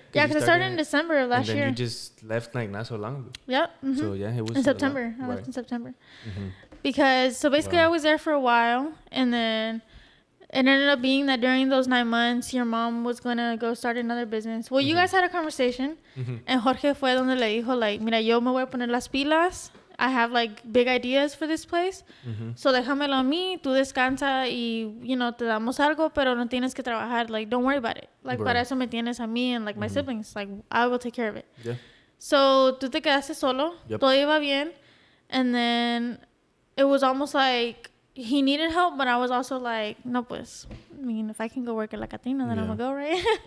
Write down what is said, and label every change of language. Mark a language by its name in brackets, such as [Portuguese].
[English] Yeah, because I started in December of last year. And then you just left like not so long ago. Yep. Mm-hmm. So yeah, it was in September. I left in September. Mm-hmm. Because, so basically I was there for a while and then it ended up being that during those 9 months, your mom was going to go start another business. Well, mm-hmm. you guys had a conversation mm-hmm. [Spanish] and Jorge fue donde le dijo like, mira, yo me voy a poner las pilas. [English] I have like big ideas for this place. Mm-hmm. [Spanish] So déjamelo a mí, tú descansa y, [English] you know, [Spanish] te damos algo, pero no tienes que trabajar. [English] Like, don't worry about it. Like, right. [Spanish] Para eso me tienes a mí [English] and like mm-hmm. my siblings. Like, I will take care of it. Yeah. [Spanish] So tú te quedaste solo, [English] yep. [Spanish] todo iba bien. [English] And then it was almost like he needed help, but I was also like, [Spanish] no, pues, [English] I mean, if I can go work at La Catrina, then I'm gonna go, right?